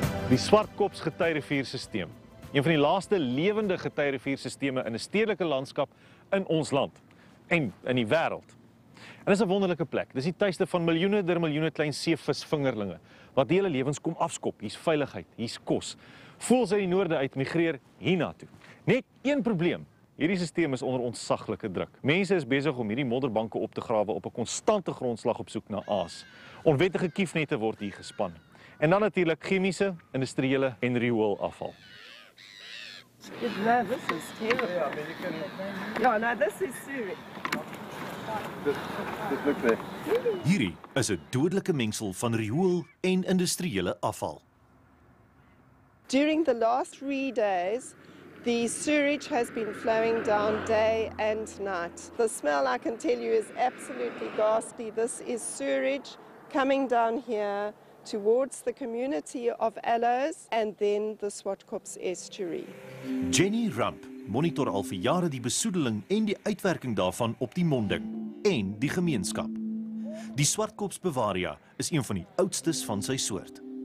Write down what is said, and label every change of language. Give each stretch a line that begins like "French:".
Afrikaans: Die Swartkops getuiriviersisteem, een van die laaste lewende getuiriviersisteme in 'n stedelike landskap in ons land en in die wêreld. En dis 'n wonderlike plek. Dis die tuiste van miljoene der miljoene klein seevisvingerlinge wat die hele lewens kom afskop. Hier's veiligheid, hier's kos. Voëls uit die noorde uit migreer hiernatoe. Net een probleem. Hierdie stelsel is onder ontsaglike druk. Mense is besig om hierdie modderbanke op te grawe op 'n konstante grondslag op soek na aas. Onwettige kiefnette word hier gespan. En dan natuurlik chemiese, industriële en rioolafval.
English: This is terrible. Yeah, no, this is serious.
Afrikaans: Hierdie is 'n dodelike mengsel van riool en industriële afval.
English: During the last 3 days, the sewerage has been flowing down day and night. The smell, I can tell you, is absolutely ghastly. This is sewerage coming down here towards the community of Aloes and then the Swartkops Estuary.
Afrikaans: Jenny Rump monitor al vir jare die besoedeling en die uitwerking daarvan op die monding en die gemeenskap. Die Swartkops bewaria is een van die oudstes van sy soort.